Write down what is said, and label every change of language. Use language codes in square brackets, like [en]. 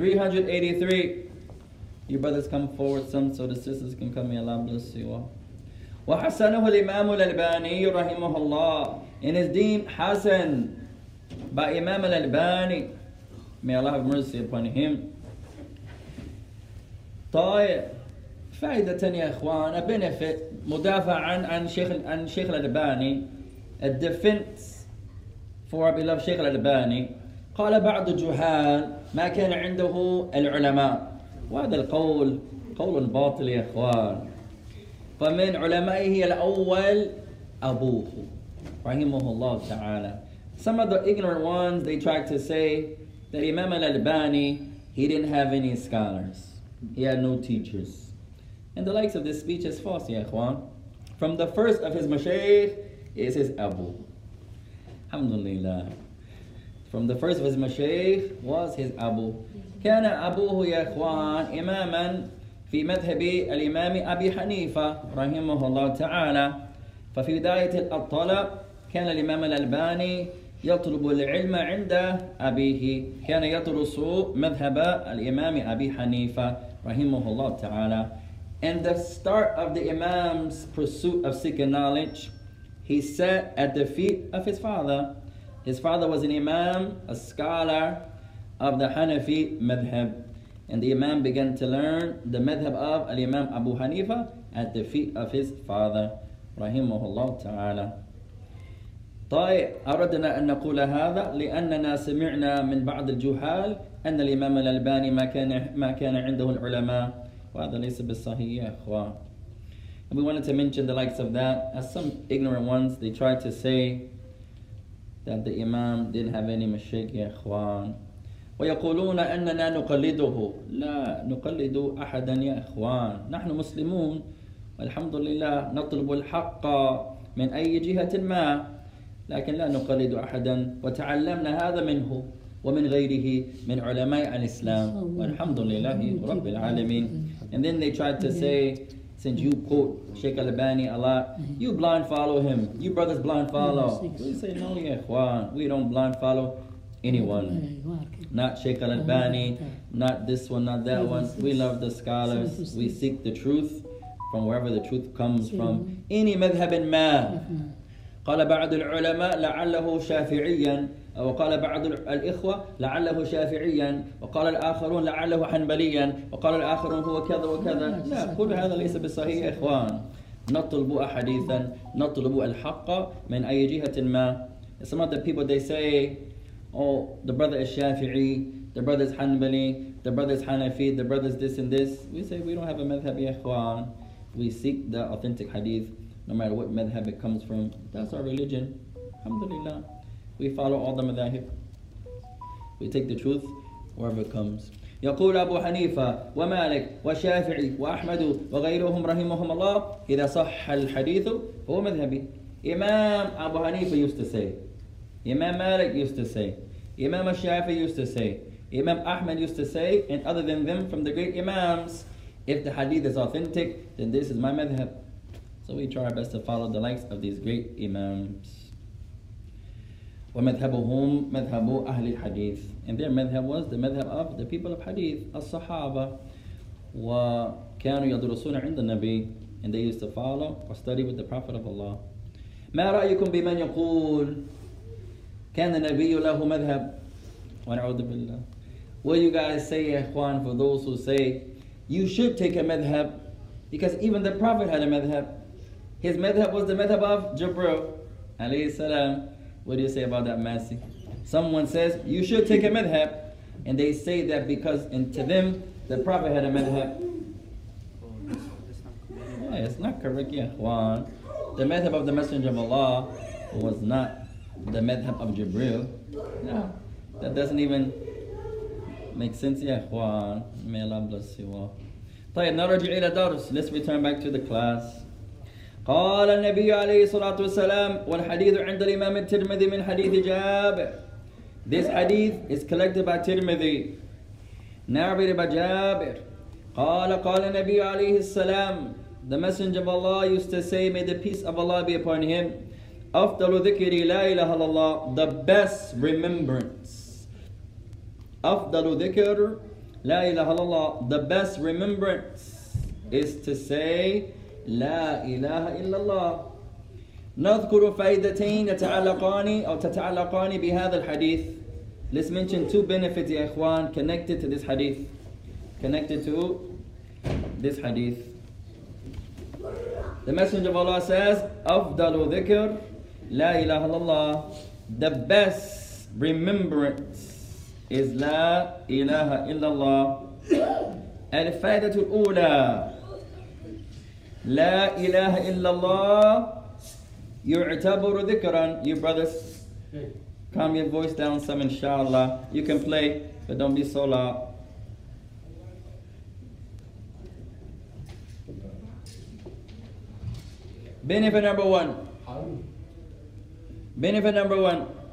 [en] 3,383. Your brothers come forward some so the sisters can come. May Allah bless you all. [ar] وحسنه الإمام الألباني رحمه الله [en] in his deem [ar] حسن [en] by Imam [ar] الألباني. [en] May Allah have mercy upon him. [ar] طيب فائدة يا إخوانا [en] benefit [ar] مدافع عن شيخ الألباني [en] a defense for our beloved [ar] شيخ الألباني. قال بعض الجهال ما كان عنده العلماء وهذا القول قول باطل يا إخوان. فمن علمائه الأول أبوه رحمه الله تعالى. [en] Some of the ignorant ones, they tried to say that Imam al-Albani, he didn't have any scholars. He had no teachers. And the likes of this speech is false, ya ikhwan. From the first of his mashaykh is his Abu. Alhamdulillah. From the first of his mashaykh was his Abu. [ar] كان أبوه يا إخوان إماماً في مذهب الإمام أبي حنيفة رحمه الله تعالى ففي بداية الطلب كان الإمام الألباني يطلب العلم عند أبيه كان يدرس مذهب الإمام أبي حنيفة رحمه الله تعالى. [en] And the start of the Imam's pursuit of seeking knowledge, he sat at the feet of his father. His father was an Imam, a scholar of the Hanafi madhab. And the Imam began to learn the madhab of Al-Imam Abu Hanifa at the feet of his father, rahimahullah ta'ala. [ar] طيب أردنا أن نقول هذا لأننا سمعنا من بعض الجهال أن الإمام الألباني ما كان عنده العلماء وهذا ليس بالصحيح يا أخوان. [en] And we wanted to mention the likes of that as some ignorant ones, they tried to say that the Imam didn't have any mashayikh [ar] يا أخوان. ويقولون أننا نقلده لا نقلد أحدا يا إخوان نحن مسلمون والحمد لله نطلب الحق من أي جهة ما لكن لا نقلد أحدا وتعلمنا هذا منه ومن غيره من علماء الإسلام والحمد لله رب العالمين. [en] And then they tried to say, since you quote Sheikh Albani a lot, you blind follow him, you brothers blind follow. We say no [ar] يا إخوان, [en] we don't blind follow anyone, not Sheikh Al-Albani, not this one, not that one. We love the scholars. We seek the truth from wherever the truth comes from. Any madhab in ma. [ar] قال بعض العلماء لعله شافعيا وقال بعض الإخوة لعله شافعيا وقال الآخرون لعله حنبليا وقال الآخرون هو كذا وكذا. لا كل هذا ليس بالصحيح إخوان. نطلب أحاديثا نطلب الحق من أي جهة ما. [en] Some of the people they say, oh, the brother is Shafi'i, the brother is Hanbali, the brother is Hanafi, the brother is this and this. We say we don't have a madhab, ya ikhwan. We seek the authentic hadith, no matter what madhab it comes from. That's our religion. Alhamdulillah. We follow all the madhahib. We take the truth wherever it comes. [ar] يقول أبو حنيفة ومالك وشافعي وأحمد وغيرهم رحمهم الله إذا صح الحديث هو مذهبي. [en] Imam Abu Hanifa used to say, Imam Malik used to say, Imam Shafi used to say, Imam Ahmed used to say, and other than them from the great Imams, if the hadith is authentic, then this is my madhab. So we try our best to follow the likes of these great Imams. [ar] ومذهبهم مذهب أهل الحديث. [en] And their madhab was the madhab of the people of hadith, [ar] الصحابة. وكانوا يدرسون عند النبي. [en] And they used to follow or study with the Prophet of Allah. [ar] ما رأيكم بمن يقول كان النبي له مذهب ونعوذ بالله. [en] What do you guys say, [ar] إخوان, [en] for those who say you should take a madhab because even the Prophet had a madhab. His madhab was the madhab of Jibril [ar] عليه السلام. [en] What do you say about that, Masi? Someone says you should take a madhab and they say that because and to them the Prophet had a madhab. Yeah, it's not correct, [ar] إخوان. [en] The madhab of the Messenger of Allah was not the madhab of Jibril. No, that doesn't even make sense, ya ikhwan. May Allah bless you all. [ar] طيب نرجع إلى الدرس. [en] Let's return back to the class. [ar] قال النبي عليه الصلاة والسلام والحديث عند الإمام الترمذي من حديث جابر. [en] This hadith is collected by Tirmidhi, narrated by Jabir. [ar] قال النبي عليه السلام, [en] the Messenger of Allah used to say, may the peace of Allah be upon him, [ar] أفضل ذكري لا إله إلا الله, [en] the best remembrance [ar] أفضل ذكر لا إله إلا الله. [en] The best remembrance is to say [ar] لا إله إلا الله. نذكر فائدتين تتعلقان أو تتعلقان بهذا الحديث. [en] Let's mention two benefits, [ar] يا إخوان, [en] connected to this hadith. Connected to this hadith. The Messenger of Allah says, [ar] أفضل ذكر لا إله إلا الله. [en] The best remembrance is [ar] لا إله إلا الله. الفائدة الأولى لا إله إلا الله يعتبر ذكرا. [en] You brothers, calm your voice down some, inshallah. You can play, but don't be so loud. Benefit number one. Benefit number one.